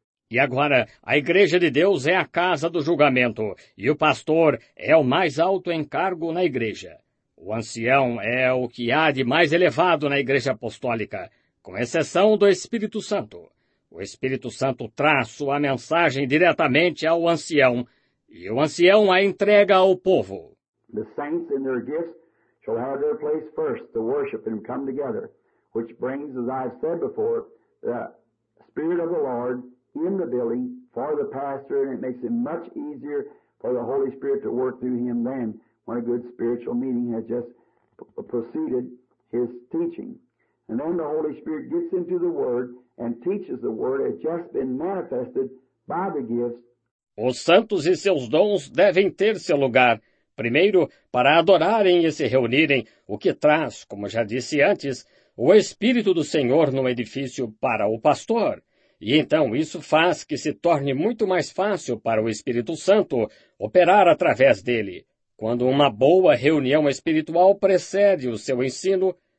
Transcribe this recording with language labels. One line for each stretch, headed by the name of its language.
Portuguese: E agora, a igreja de Deus é a casa do julgamento, e o pastor é o mais alto encargo na igreja. O ancião é o que há de mais elevado na igreja apostólica, com exceção do Espírito Santo. O Espírito Santo traz sua mensagem diretamente ao ancião, e o ancião a entrega ao povo.
English: The saints and their gifts shall have their place first to worship and come together, which brings, as I've said before, the Spirit of the Lord in the building for the pastor, and it makes it much easier for the Holy Spirit to work through him then when a good spiritual meeting has just preceded his teaching. And then the Holy Spirit gets into the Word and teaches the Word has just been manifested by the gifts.
Portuguese: Os santos e seus dons devem ter seu lugar. Primeiro, para adorarem e se reunirem, o que traz, como já disse antes, o Espírito do Senhor no edifício para o pastor. E então isso faz que se torne muito mais fácil para o Espírito Santo operar através dele, quando uma boa reunião espiritual precede o seu ensino.